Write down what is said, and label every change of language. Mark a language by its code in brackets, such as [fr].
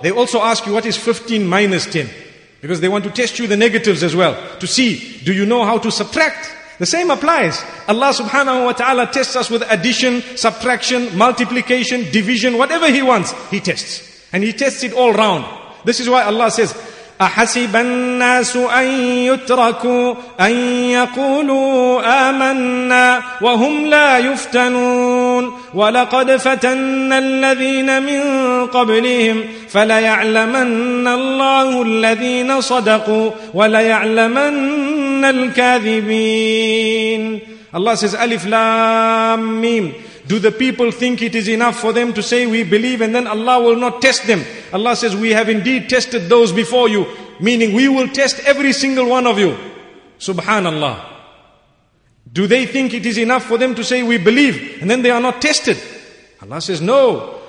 [en] They also ask you, what is 15 minus 10? Because they want to test you the negatives as well. To see, do you know how to subtract? The same applies. Allah subhanahu wa ta'ala tests us with addition, subtraction, multiplication, division, whatever He wants, He tests. And He tests it all round. This is why Allah says, [ar] أَحَسِبَ النَّاسُ أَن يُتْرَكُوا أَن يَقُولُوا آمَنَّا وَهُمْ لَا يُفْتَنُونَ وَلَقَدْ فَتَنَّ الَّذِينَ مِنْ قَبْلِهِمْ فَلَيَعْلَمَنَّ اللَّهُ الَّذِينَ صَدَقُوا وَلَيَعْلَمَنَّ الْكَاذِبِينَ. [en] Allah says, Alif Lam Mim. Do the people think it is enough for them to say we believe and then Allah will not test them? Allah says, we have indeed tested those before you. Meaning we will test every single one of you. Subhanallah. Do they think it is enough for them to say we believe and then they are not tested? Allah says, no.